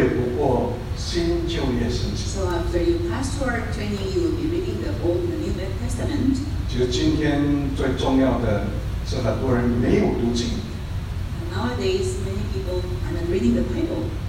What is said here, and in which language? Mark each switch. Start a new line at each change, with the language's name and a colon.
Chinese: 在经过菲律宾圣经神学，你必会读过新旧约圣经。
English: So after you pass through our training, you will be reading the Old and the New Testament.
Chinese: 其实今天最重要的是很多人没有读经。
English: Nowadays, many people are not reading the Bible.